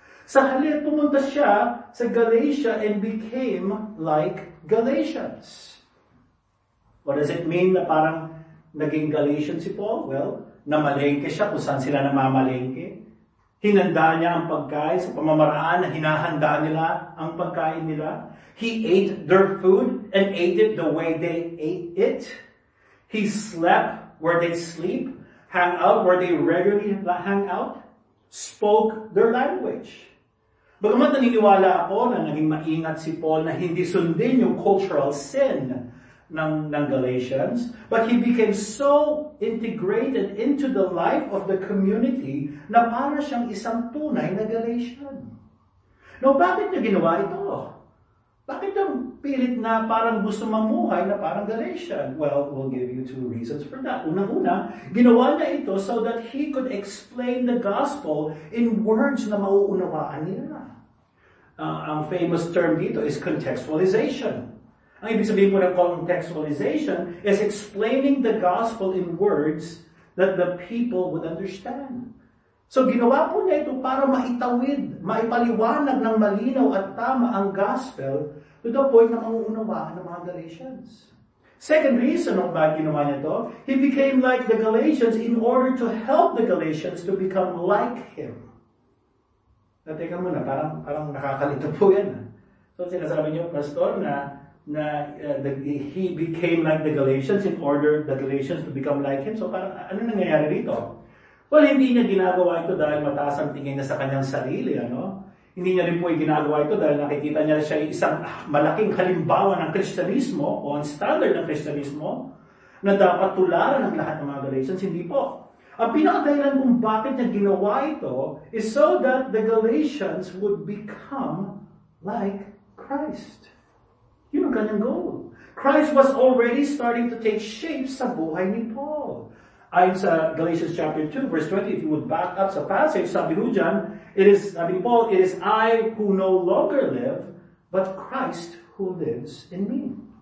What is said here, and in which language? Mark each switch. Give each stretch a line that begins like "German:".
Filipino: Sa halip, pumunta siya sa Galatia
English: and became like Galatians. What does it mean
Filipino: na parang naging Galatian si Paul? Well, namalengke siya kung saan sila namamalengke. Hinanda niya ang pagkain sa pamamaraan na hinahanda nila ang pagkain nila.
English: He ate their food and ate it the way they ate it. He slept where they sleep, hang out where they regularly hang out, spoke their language.
Filipino: Bagamat naniniwala ako na naging maingat si Paul na hindi sundin yung cultural sin ng Galatians,
English: but he became so integrated into the life of the community
Filipino: na para siyang isang tunay na Galatian. Now, bakit niya ginawa ito? Bakit ang pilit na parang gusto mamuhay na parang Galatian?
English: Well, we'll give you 2 reasons for that.
Filipino: Una-una, ginawa niya ito
English: so that he could explain the gospel in words
Filipino: na mauunawaan nila.
English: Ang famous term dito is contextualization.
Filipino: Ang ibig sabihin po ng
English: contextualization is explaining the gospel in words that the people would understand.
Filipino: So ginawa po niya ito para maitawid, maipaliwanag ng malinaw at tama ang gospel
English: to the point
Filipino: na mauunawaan ng mga Galatians.
English: Second reason
Filipino: kung bakit ginawa niya ito,
English: he became like the Galatians in order to help the Galatians to become like him.
Filipino: Na teka muna, parang nakakalito po yan. So sinasabi niyo, Pastor,
English: he became like the Galatians in order the Galatians to become like him.
Filipino: So parang ano nangyayari dito? Well, hindi niya ginagawa ito dahil mataas ang tingin niya sa kanyang sarili. Ano? Hindi niya rin po ginagawa ito dahil nakikita niya siya isang malaking halimbawa ng Kristyanismo o ang standard ng Kristyanismo na dapat tularan ng lahat ng mga Galatians. Hindi po. Ang pinakadahilan kung bakit niya ginawa ito
English: is so that the Galatians would become like Christ.
Filipino: Yun ang kanyang goal.
English: Christ was already starting to take shape sa buhay ni Paul. Ayon sa Galatians chapter 2, verse 20, if you would back up sa passage,
Filipino: sabi ho dyan,
English: it is I who no longer live, but Christ who lives in me.